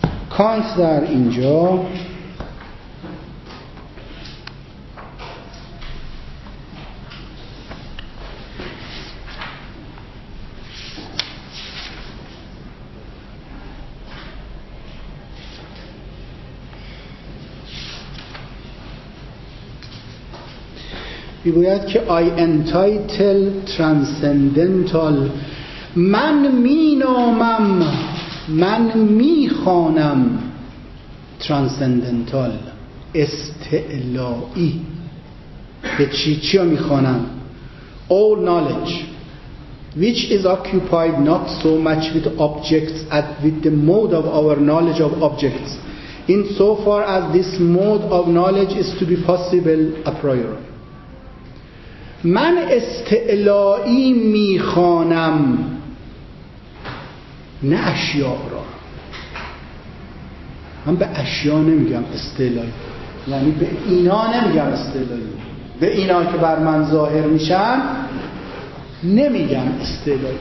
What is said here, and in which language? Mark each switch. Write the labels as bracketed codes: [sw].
[fa] کانت در اینجا میگوید که [en] I entitle transcendental، [fa] من می نامم، من می خوانم transcendental استعلایی. به چی می خوانم؟ [en] All knowledge which is occupied not so much with objects as with the mode of our knowledge of objects in so far as this mode of knowledge is to be possible a priori. [fa] من استعلایی میخوانم نه اشیاء را. من به اشیاء نمیگم استعلایی، یعنی به اینا نمیگم استعلایی، به اینا که بر من ظاهر میشن نمیگم استعلایی.